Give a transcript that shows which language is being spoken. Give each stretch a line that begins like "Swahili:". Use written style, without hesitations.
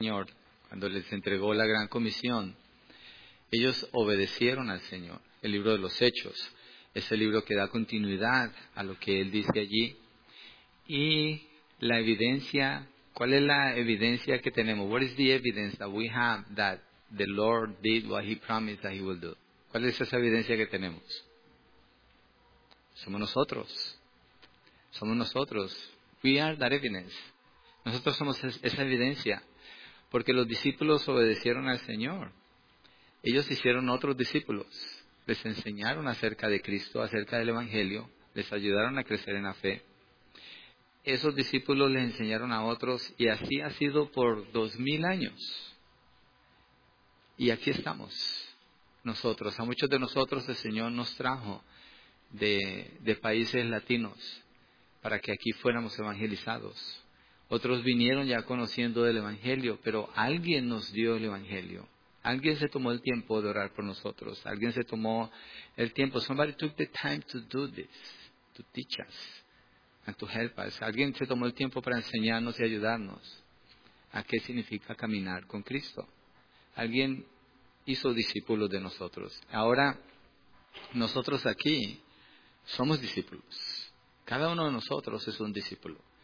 Spanish: Señor, cuando les entregó la gran comisión, ellos obedecieron al Señor. El libro de los Hechos es el libro que da continuidad a lo que Él dice allí. Y la evidencia, ¿cuál es la evidencia que tenemos?
English: What is the evidence that we have that the Lord did what He promised that He will do?
Spanish: ¿Cuál es esa evidencia que tenemos? Somos nosotros. Somos nosotros.
English: We are that evidence.
Spanish: Nosotros somos esa evidencia. Porque los discípulos obedecieron al Señor. Ellos hicieron otros discípulos. Les enseñaron acerca de Cristo, acerca del Evangelio. Les ayudaron a crecer en la fe. Esos discípulos les enseñaron a otros. Y así ha sido por 2000 años. Y aquí estamos. Nosotros. A muchos de nosotros el Señor nos trajo de países latinos para que aquí fuéramos evangelizados. Otros vinieron ya conociendo del Evangelio, pero alguien nos dio el Evangelio. Alguien se tomó el tiempo de orar por nosotros. Alguien se tomó el tiempo.
English: Somebody took the time to do this, to teach us and to help us.
Spanish: Alguien se tomó el tiempo para enseñarnos y ayudarnos a qué significa caminar con Cristo. Alguien hizo discípulos de nosotros. Ahora, nosotros aquí somos discípulos. Cada uno de nosotros es un discípulo.